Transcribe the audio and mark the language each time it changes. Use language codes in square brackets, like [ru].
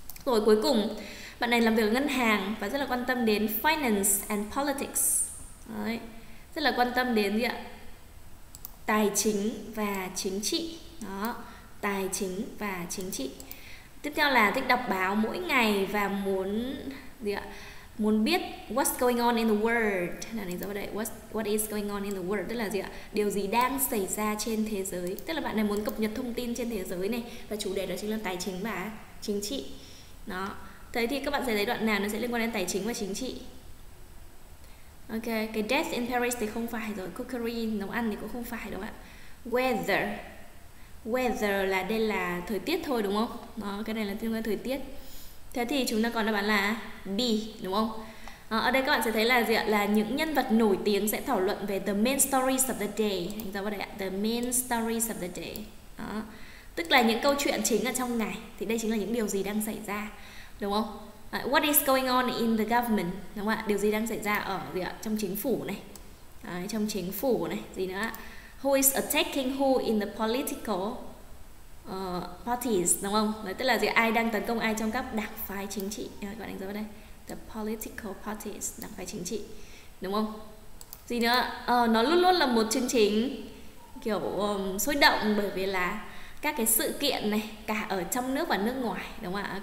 [vi] Rồi cuối cùng, bạn này làm việc ở ngân hàng và rất là quan tâm đến [en] finance and politics. [vi] Đấy. Rất là quan tâm đến gì ạ? Tài chính và chính trị. Đó, tài chính và chính trị. Tiếp theo là thích đọc báo mỗi ngày và muốn gì ạ? Muốn biết [en] what's going on in the world. [vi] Là đánh dấu vào đây [en] what is going on in the world, [vi] tức là gì ạ? Điều gì đang xảy ra trên thế giới. Tức là bạn này muốn cập nhật thông tin trên thế giới này, và chủ đề đó chính là tài chính và chính trị. Đó. Thế thì các bạn sẽ thấy đoạn nào nó sẽ liên quan đến tài chính và chính trị. Ok, cái [en] death in Paris [vi] thì không phải rồi, cookery nấu ăn thì cũng không phải đâu ạ. Weather. Weather là đây là thời tiết thôi đúng không? Đó, cái này là liên quan thời tiết. Thế thì chúng ta còn đáp án là B đúng không? Đó, ở đây các bạn sẽ thấy là gì ạ? Là những nhân vật nổi tiếng sẽ thảo luận về [en] the main stories of the day. [vi] Đánh dấu vào đây ạ, [en] the main stories of the day. [vi] Đó. Tức là những câu chuyện chính ở trong ngày, thì đây chính là những điều gì đang xảy ra. [en] Đúng không? What is going on in the government? [vi] Đúng không ạ? Điều gì đang xảy ra ở gì ạ? Trong chính phủ này. Đấy, trong chính phủ này, gì nữa ạ? [en] Who is attacking who in the political parties, [vi] đúng không? Đấy, tức là gì ạ? Ai đang tấn công ai trong các đảng phái chính trị. Đấy, các bạn đánh dấu vào đây. [en] The political parties, [vi] đảng phái chính trị. Đúng không? Gì nữa? Nó luôn luôn là một chương trình kiểu sôi động, bởi vì là các cái sự kiện này, cả ở trong nước và nước ngoài, đúng không ạ?